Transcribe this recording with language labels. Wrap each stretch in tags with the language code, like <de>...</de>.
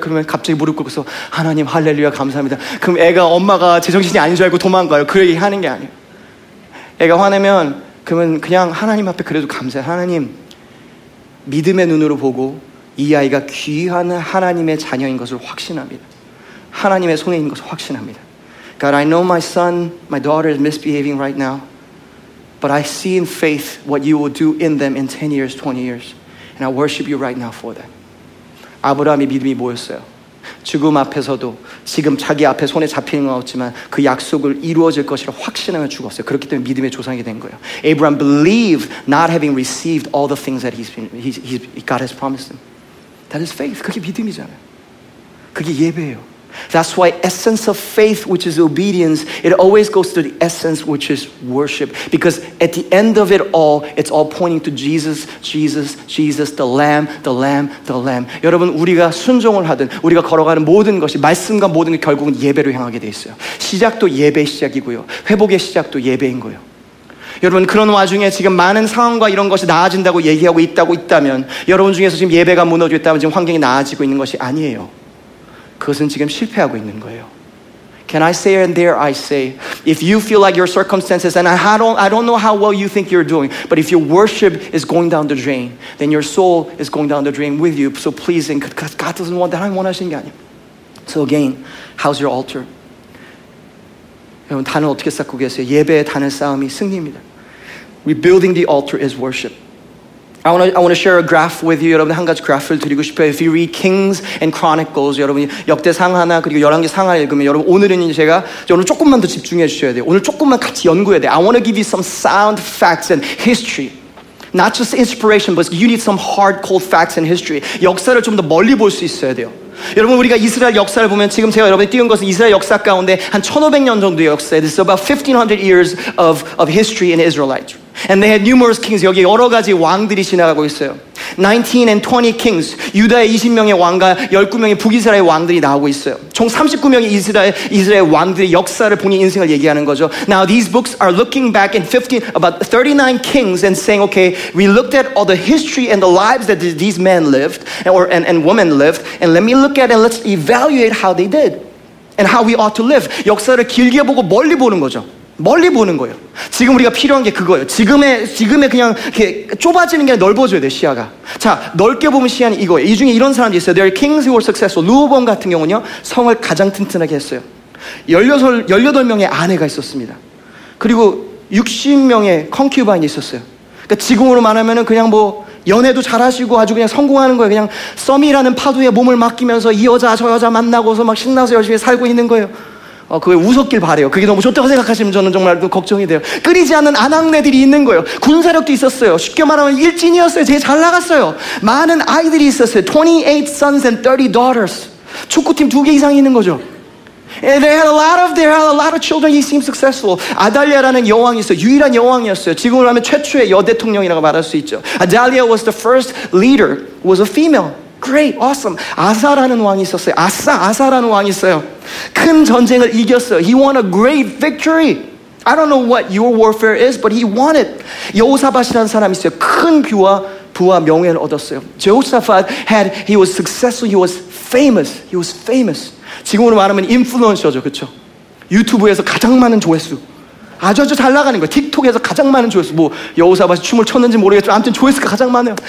<ko>그러면 갑자기 무릎 꿇고서 하나님 할렐루야 감사합니다. 그럼 애가 엄마가 제정신이 아닌 줄 알고 도망가요. 그 얘기 하는 게 아니에요. 애가 화내면 그러면 그냥 하나님 앞에 그래도 감사해요. 하나님 믿음의 눈으로 보고 이 아이가 귀한 하나님의 자녀인 것을 확신합니다. 하나님의 손에 있는 것을 확신합니다.</ko> <en>God, I know my son, my daughter is misbehaving right now, but I see in faith what you will do in them in 10 years, 20 years, and I worship you right now for that.</en> <ko>아브라함의 믿음이 뭐였어요? 죽음 앞에서도 지금 자기 앞에 손에 잡히는 건 없지만 그 약속을 이루어질 것이라 확신하며 죽었어요. 그렇기 때문에 믿음의 조상이 된 거예요.</ko> <en>Abraham believed not having received all the things that God has promised him. That is faith.</en> <ko>그게 믿음이잖아요. 그게 예배예요.</ko> <en>That's why essence of faith, which is obedience, it always goes to the essence, which is worship. Because at the end of it all, it's all pointing to Jesus, Jesus, Jesus, the Lamb, the Lamb, the Lamb.</en> <ko>여러분, 우리가 순종을 하든 우리가 걸어가는 모든 것이 말씀과 모든 게 결국은 예배로 향하게 돼 있어요. 시작도 예배 시작이고요. 회복의 시작도 예배인 거예요. 여러분 그런 와중에 지금 많은 상황과 이런 것이 나아진다고 얘기하고 있다고 있다면 여러분 중에서 지금 예배가 무너져 있다면 지금 환경이 나아지고 있는 것이 아니에요. 그것은 지금 실패하고 있는 거예요.</ko> <en>Can I say and dare I say, if you feel like your circumstances, and I don't know how well you think you're doing, but if your worship is going down the drain, then your soul is going down the drain with you. So please, because God doesn't want that. I want to sing again. So again, how's your altar?</en> <ko>여러분, 단을 어떻게 쌓고 계세요? 예배의 단을 쌓음이 승리입니다.</ko> <en>Rebuilding the altar is worship. I want to share a graph with you.</en> <ko>여러분 한 가지 graph를 드리고 싶어요.</ko> <en>If you read Kings and Chronicles,</en> <ko>여러분 역대상 하나 그리고 열왕기상 하나 읽으면 여러분 오늘은 제가 오늘 조금만 더 집중해 주셔야 돼요. 오늘 조금만 같이 연구해야 돼요.</ko> <en>I want to give you some sound facts and history. Not just inspiration, but you need some hard, cold facts and history.</en> <ko>역사를 좀 더 멀리 볼 수 있어야 돼요. 여러분 우리가 이스라엘 역사를 보면 지금 제가 여러분이 띄운 것은 이스라엘 역사 가운데 한 1500년 정도의 역사예요.</ko> <en>This is about 1500 years of history in Israelites. And they had numerous kings.</en> <ko>여기 여러 가지 왕들이 지나가고 있어요.</ko> <en>19 and 20 kings.</en> <ko>유다의 20명의 왕과 19명의 북이스라엘 왕들이 나오고 있어요. 총 39명의 이스라엘 왕들의 역사를 본인 인생을 얘기하는 거죠.</ko> <en>Now these books are looking back in 15 about 39 kings and saying, okay, we looked at all the history and the lives that these men lived and women lived, and let me look at and let's evaluate how they did and how we ought to live.</en> <ko>역사를 길게 보고 멀리 보는 거죠. 멀리 보는 거예요. 지금 우리가 필요한 게 그거예요. 지금의 그냥 이렇게 좁아지는 게 아니라 넓어져야 돼, 시야가. 자, 넓게 보면 시야는 이거예요. 이 중에 이런 사람들이 있어요.</ko> <en>There are kings who were successful.</en> <ko>르호보암 같은 경우는요, 성을 가장 튼튼하게 했어요. 18명의 아내가 있었습니다. 그리고 60명의 컨큐바인이 있었어요. 그러니까 지금으로 말하면은 그냥 뭐, 연애도 잘하시고 아주 그냥 성공하는 거예요. 그냥 썸이라는 파도에 몸을 맡기면서 이 여자, 저 여자 만나고서 막 신나서 열심히 살고 있는 거예요. 그게 웃었길 바래요. 그게 너무 좋다고 생각하시면 저는 정말 걱정이 돼요. 끊이지 않는 아낙네들이 있는 거예요. 군사력도 있었어요. 쉽게 말하면 일진이었어요. 제일 잘 나갔어요. 많은 아이들이 있었어요.</ko> <en>28 sons and 30 daughters.</en> <ko>축구팀 두 개 이상 있는 거죠.</ko> <en>And they had a lot of children. He seemed successful.</en> <ko>아달리아라는 여왕이 있어요. 유일한 여왕이었어요. 지금으로 하면 최초의 여대통령이라고 말할 수 있죠.</ko> <en>Adalia was the first leader, was a female. Great, awesome.</en> <ko>아사라는 왕이 있었어요. 아사라는 왕이 있어요. 큰 전쟁을 이겼어요.</ko> <en>He won a great victory. I don't know what your warfare is, but he won it.</en> <ko>여호사밧이라는 사람이 있어요. 큰 귀와 부와 명예를 얻었어요.</ko> <en>Jehoshaphat had, he was successful, he was famous. He was famous.</en> <ko>지금으로 말하면 인플루언서죠, 그렇죠? 유튜브에서 가장 많은 조회수. 아주 잘 나가는 거예요. 틱톡에서 가장 많은 조회수. 뭐 여호사밧이 춤을 췄는지 모르겠지만 아무튼 조회수가 가장 많아요.</ko>